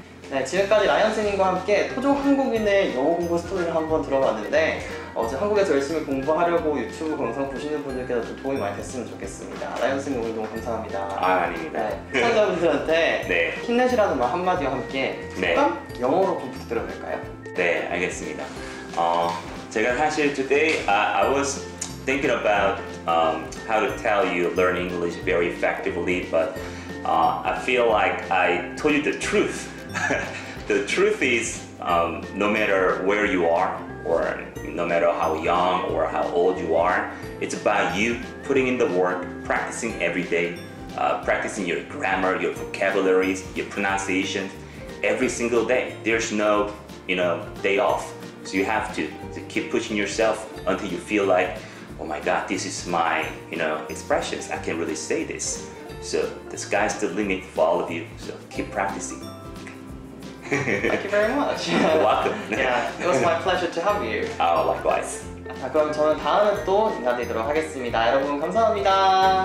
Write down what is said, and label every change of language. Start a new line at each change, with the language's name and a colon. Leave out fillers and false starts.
Korean: 네, 지금까지 라이언 선생님과 함께 토종 한국인의 영어 공부 스토리를 한번 들어봤는데 어제 한국에서 열심히 공부하려고 유튜브 영상 보시는 분들께도 좀 도움이 많이 됐으면 좋겠습니다. 라이언 선생님 오늘 너무 감사합니다. 아, 아닙니다. 네, 시청자분들한테 네. 힘내시라는 말 한마디와 함께 네. 영어로 부탁드려볼까요? 네, 알겠습니다. 제가 사실
English: today I was thinking about how to tell you learn English very effectively, but I feel like I told you the truth. The truth is, no matter where you are, or no matter how young or how old you are, it's about you putting in the work, practicing every day, practicing your grammar, your vocabularies, your pronunciation, every single day. There's no, you know, day off. So you have to keep pushing yourself until you feel like, oh my God, this is my, you know, expressions. I can really say this. So the sky's the limit for all of you. So keep practicing. Thank you very much. You're welcome. Yeah, it was my pleasure to have you. Oh, likewise.
Korean: 자, 그럼 저는 다음에 또 인사드리도록 하겠습니다. 여러분, 감사합니다.